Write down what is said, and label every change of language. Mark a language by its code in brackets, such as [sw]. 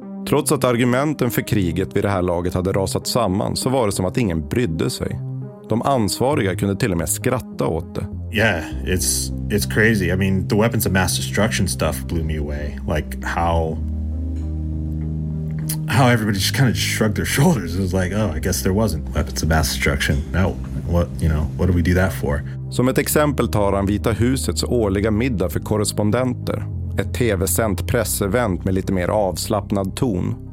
[sv] Trots att argumenten för kriget vid det här laget hade rasat samman, så var det som att ingen brydde sig. De ansvariga kunde till och med skratta åt det. [en] Yeah, it's crazy. I mean, the weapons of mass destruction stuff blew me away. Like how everybody just kind of shrugged their shoulders. It was like, oh, I guess there wasn't weapons of mass destruction. No, what do we do that for? [sv] Som ett exempel tar han Vita husets årliga middag för korrespondenter. Ett tv-sänt pressevent med lite mer avslappnad ton.